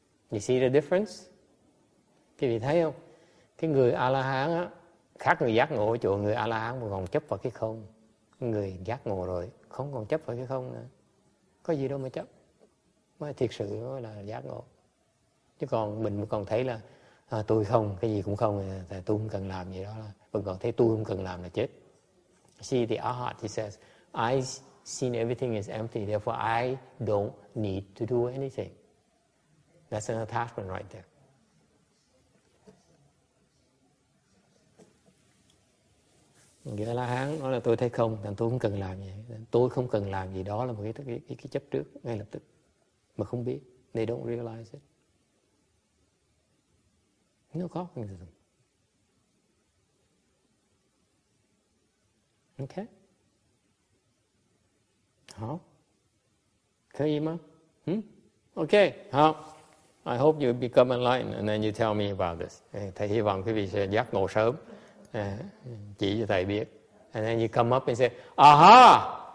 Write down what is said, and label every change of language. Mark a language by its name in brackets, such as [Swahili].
[English] You see the difference? [Vietnamese] Quý vị thấy không? Cái người A-la-hán á, khác người giác ngộ ở chỗ người A-la-hán mà còn chấp vào cái không. Người giác ngộ rồi, không còn chấp vào cái không nữa. Có gì đâu mà chấp. Mới thiệt sự mới là giác ngộ. Chứ còn mình còn thấy là tôi không, cái gì cũng không, tại tôi không cần làm gì đó. Là mình còn thấy tôi không cần làm là chết. [English] See, the arhat, he says, I've seen everything is empty, therefore I don't need to do anything. That's an attachment right there. [Vietnamese] Nghĩa là hắn nói là tôi thấy không, nên tôi không cần làm gì. Tôi không cần làm gì đó là một cái chấp trước ngay lập tức. Mà không biết. [English] They don't realize it. [Vietnamese] Nó có không được. [English] OK. [Vietnamese] Hảo. Có gì mà? OK. Hảo. [English] I hope you become enlightened and then you tell me about this. [Vietnamese] Thầy hy vọng quý vị sẽ giác ngộ sớm. Chỉ cho thầy biết. [English] And then you come up and say, aha!